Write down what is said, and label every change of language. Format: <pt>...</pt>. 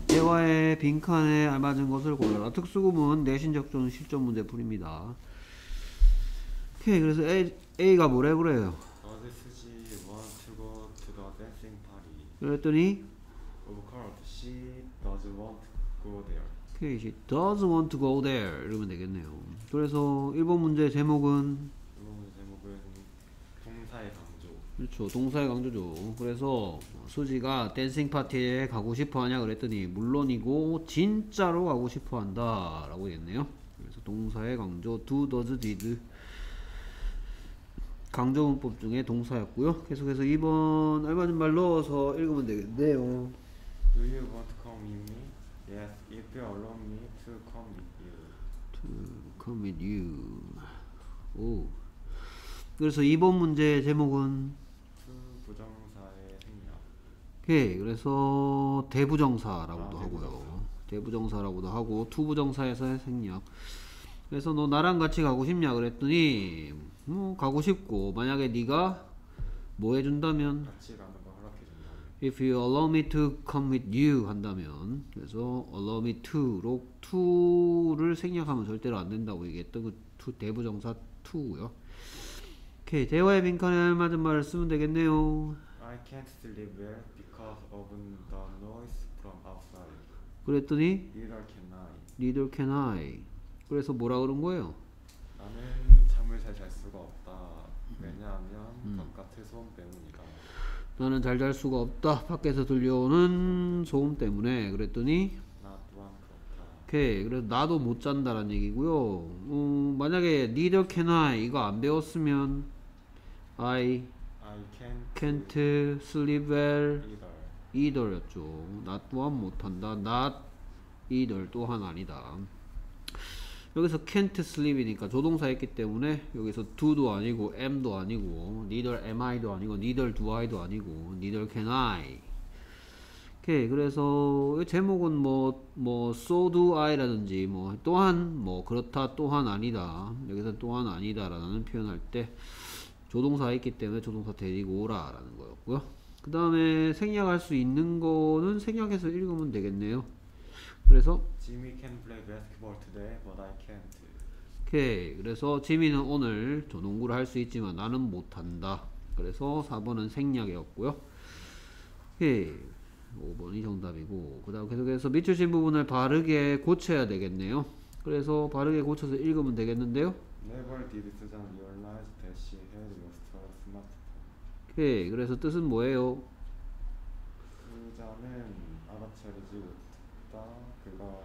<ko>대화의 빈칸에 알맞은 것을 골라라. 특수구문, 내신 적중 실전 문제 풀입니다. 오케이, 그래서 A가 뭐래 그래요?</ko> <en>This is want to go to the dancing party.</en> <ko>그랬더니?</ko> <en>Of course, she doesn't want to go there. Okay, she doesn't want to go there.</en> <ko>이러면 되겠네요. 그래서 1번 문제 제목은? 1번 문제 제목은 동사의 강조. 그렇죠, 동사의 강조죠. 그래서 수지가 댄싱 파티에 가고 싶어 하냐 그랬더니 물론이고 진짜로 가고 싶어 한다 라고 했네요. 그래서 동사의 강조, do, does, did 강조 문법 중에 동사였고요. 계속해서 2번 알맞은 말 넣어서 읽으면 되겠네요.</ko> <en>Do you want to come with me? Yes, if you allow me to come with you. To come with you.</en> <ko>오. 그래서 2번 문제 제목은? 부정사의 생략. 오케이. 그래서 대부정사라고도 하고요. 대부정사. 대부정사라고도 하고 투부정사에서의 생략. 그래서 너 나랑 같이 가고 싶냐 그랬더니 가고 싶고 만약에 네가 뭐 해준다면 같이 가는 거 허락해준다면</ko> <en>If you allow me to come with you</en> <ko>한다면 그래서 allow me to로 to를 생략하면 절대로 안 된다고 얘기했던 그 to, 대부정사 to고요. 오케이, 대화의 빈칸에 알맞은 말을 쓰면 되겠네요.</ko> <en>I can't sleep well because of the noise from outside.</en> <ko>그랬더니</ko> <en>Neither can I. Neither can I.</en> <ko>그래서 뭐라 그런 거예요? 나는 잠을 잘 잘 수가 없다. 왜냐하면 바깥의 소음 때문이다. 나는 잘 잘 수가 없다. 밖에서 들려오는 소음 때문에. 그랬더니 나 또한 그렇다. 오케이. 그래서 나도 못 잔다라는 얘기고요. 만약에</ko> <en>neither can I</en> <ko>이거 안 배웠으면</ko> <en>I can't sleep well</en> <ko>either였죠. 나 또한 못한다.</ko> <en>Not either</en> <ko>또한 아니다. 여기서 can't sleep이니까 조동사 했기 때문에 여기서 do도 아니고 am도 아니고 neither am I도 아니고 neither do I도 아니고 neither can I. 오케이. 그래서 제목은 뭐 so do I라든지 뭐 또한 뭐 그렇다 또한 아니다 여기서 또한 아니다 라는 표현할 때 조동사 했기 때문에 조동사 데리고 오라 라는 거였고요. 그 다음에 생략할 수 있는 거는 생략해서 읽으면 되겠네요. 그래서</ko> <en>Jimmy can play basketball today, but I can't.</en> <ko>오케이. 그래서 지미는 오늘 저 농구를 할 수 있지만 나는 못한다. 그래서 4번은 생략이었고요. 오케이. 5번이 정답이고 그 다음 계속해서 미칠신 부분을 바르게 고쳐야 되겠네요. 그래서 바르게 고쳐서 읽으면 되겠는데요.</ko> <en>Never did Susan realize that she had lost her smartphone.</en> <ko>오케이. 그래서 뜻은 뭐예요? 그자는 알아차리지 못했다.</ko>